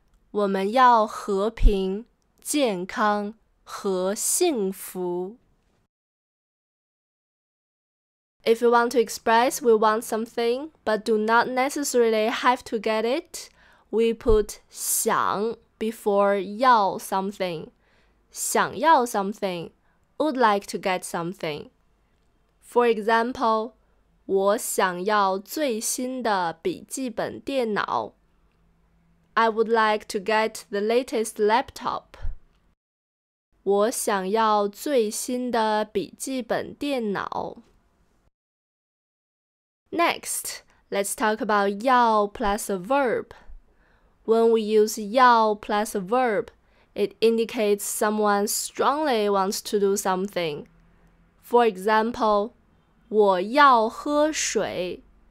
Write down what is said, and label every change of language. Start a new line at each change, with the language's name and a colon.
Chinese: 我们要和平、健康和幸福。
English: If you want to express we want something, but do not necessarily have to get it, we put 想 before 要 something. 想要 something, would like to get something. For example,
Chinese: 我想要最新的笔记本电脑。
English: I would like to get the latest laptop.
Chinese: 我想要最新的笔记本电脑。
English: Next, let's talk about 要 plus a verb. When we use 要 plus a verb, it indicates someone strongly wants to do something. For example,
Chinese: 我要喝水。